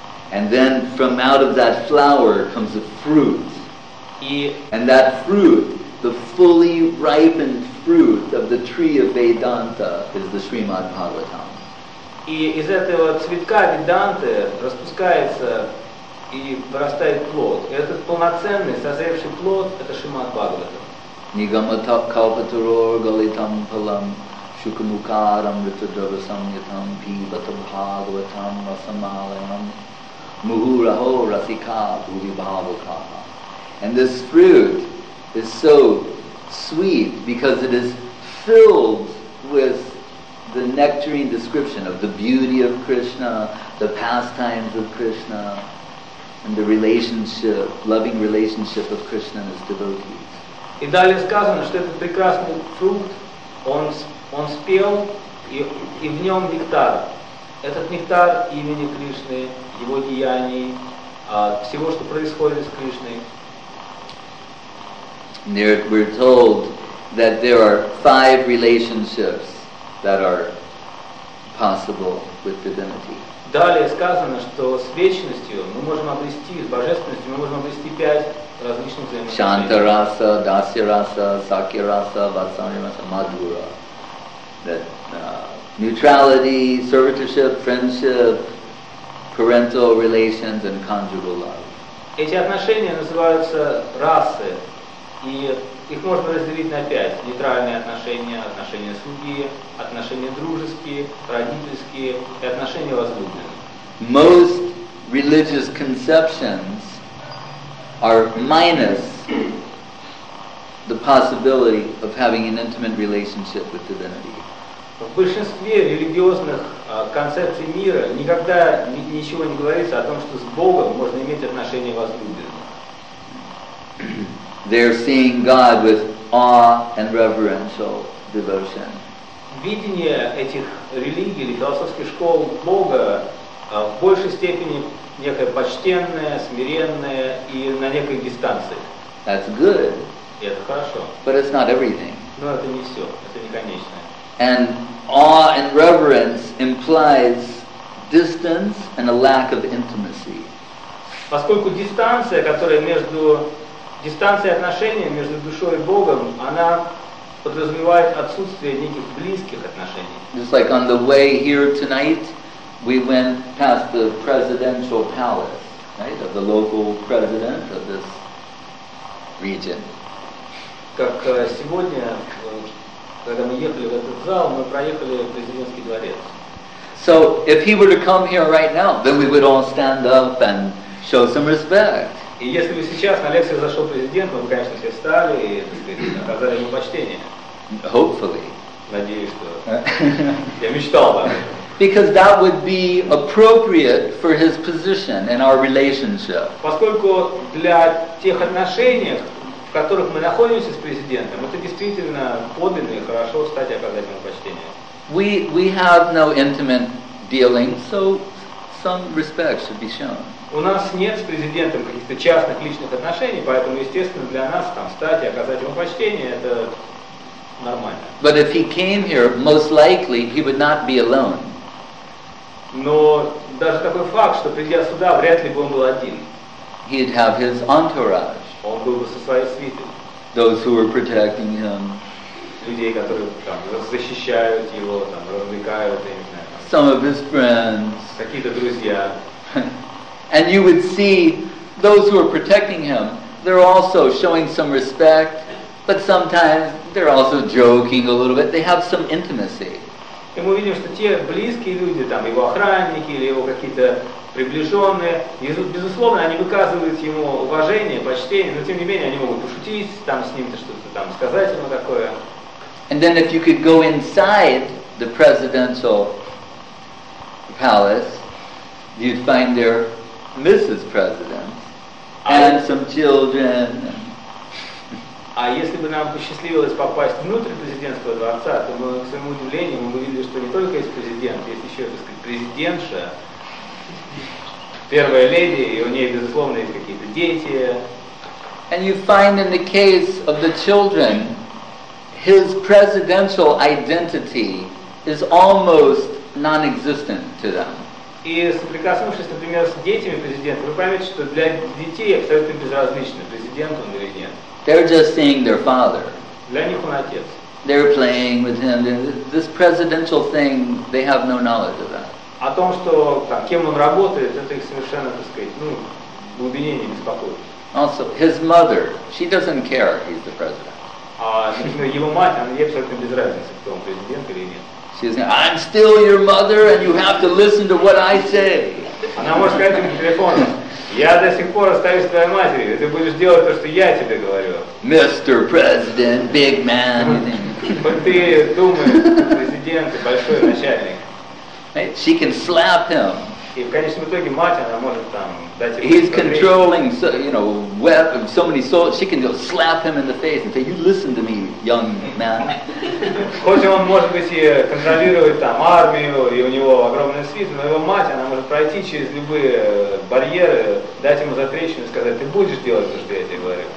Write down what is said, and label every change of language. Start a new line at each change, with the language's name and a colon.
English: And then from out of that flower comes a fruit. And that fruit, the fully ripened fruit of the tree of Vedanta, is the Srimad Bhagavatam.
Russian: И из этого цветка Веданты распускается и вырастает плод. И этот полноценный, созревший плод — это Шримад Бхагаватам.
Sanskrit: Нигамата калпатуро галитам палам шукамукарам ритадрабасамьятам пибатам бхагаватам расамалаям мухурахо расика бхувибхавука.
English: And this fruit is so sweet because it is filled with the nectarine description of the beauty of Krishna, the pastimes of Krishna, and the relationship, loving relationship of Krishna and his devotees.
Russian: И далее сказано, что этот прекрасный фрукт, он спел, и в нем нектар. Этот нектар имени Кришны, его деяний, всего, что происходит с Кришной.
English: There we're told that there are five relationships that are possible with divinity.
Russian: Далее сказано, что с вечностью мы можем обрести, с божественностью мы можем обрести пять различных взаимосвязей.
Sanskrit: Шантараса, Дасираса, Сакираса, Ватсанираса, Мадура.
English: That neutrality, servitorship, friendship, parental relations, and conjugal love.
Russian: Эти отношения называются расы, и их можно разделить на пять. Нейтральные отношения, отношения слуги, отношения дружеские, родительские и отношения возлюбленные.
English: Most religious conceptions are minus the possibility of having an intimate relationship with divinity.
Russian: В большинстве религиозных концепций мира никогда ничего не говорится о том, что с Богом можно иметь отношения возлюбленные.
English: They're seeing God with awe and reverential devotion.
Russian: Видение этих религий или философских школ Бога в большей степени некое почтенное, смиренное и на некой дистанции.
English: That's good.
Russian: И это хорошо.
English: But it's not everything.
Russian: Но это не все. Это не конечное.
English: And awe and reverence implies distance and a lack of intimacy.
Russian: Поскольку дистанция, которая между дистанция отношения между душой и Богом, она подразумевает отсутствие неких близких отношений.
English: Just like on the way here tonight, we went past the presidential palace, right, of the local president of this region.
Russian: Как сегодня, когда мы ехали в этот зал, мы проехали президентский дворец.
English: So if he were to come here right now, then we would all stand up and show some respect.
Russian: И если бы сейчас на лекцию зашел президент, мы бы, конечно, все встали и, так сказать, оказали ему почтение.
English: Hopefully.
Russian: Надеюсь, что. Я мечтал бы.
English: Because that would be appropriate for his position in our relationship.
Russian: Поскольку для тех отношений, в которых мы находимся с президентом, это действительно подлинно и хорошо встать и оказать ему почтение.
English: We have no intimate dealings, so some respect should be shown.
Russian: У нас нет с президентом каких-то частных личных отношений, поэтому, естественно, для нас там встать и оказать ему почтение – это нормально.
English: But if he came here, most likely he would not be alone.
Russian: Но даже такой факт, что придя сюда, вряд ли бы он был один.
English: He'd have his entourage.
Russian: Он был бы со своей свитой.
English: Those who were protecting him.
Russian: Людей, которые там защищают его, там развлекают, я не знаю. Там,
English: some of his friends.
Russian: Какие-то друзья.
English: And you would see those who are protecting him, they're also showing some respect, but sometimes they're also joking a little bit. They have some intimacy.
Russian: И мы видим, что те близкие люди, там, его охранники или его какие-то приближенные, безусловно, они выказывают ему уважение, почтение, но тем не менее они могут пошутить там с ним-то что-то там сказать ему такое.
English: And then if you could go inside the presidential palace, you'd find there Mrs. President and some children.
Russian: А если бы нам посчастливилось попасть внутрь президентского дворца, то мы, к своему удивлению, мы бы видели, что не только есть президент, есть еще, так сказать, президентша, первая леди, и у нее, безусловно, есть какие-то дети.
English: And you find in the case of the children, his presidential identity is almost non-existent to them.
Russian: И соприкоснувшись, например, с детьми президента, вы поймете, что для детей абсолютно безразлично, президент он или нет.
English: They're just seeing their father.
Russian: Для них он отец.
English: They're playing with him. This presidential thing, they have no knowledge of that.
Russian: О том, что там, кем он работает, это их совершенно, так сказать, ну, глубине не беспокоит.
English: Also, his mother, she doesn't care if he's the president.
Russian: А его мать, она ей абсолютно без разницы, кто он, президент или нет.
English: She's saying, I'm still your mother and you have to listen to what I say.
Russian: Она может сказать ему по телефону, я до сих пор остаюсь твоей матерью, ты будешь делать то, что я тебе говорю.
English: Mr. President, big man.
Russian: Вот ты думаешь, президент и большой начальник.
English: She can slap him.
Russian: И в конечном итоге мать, она может там дать ему...
English: He's controlling, so, you know, weapon, so many soldiers. She can go slap him in the face and say, you listen to me, young man.
Russian: Хоть он может быть и контролирует там армию, и у него огромный свит, но его мать, она может пройти через любые барьеры, дать ему затрещину и сказать, ты будешь делать то, что я тебе говорю.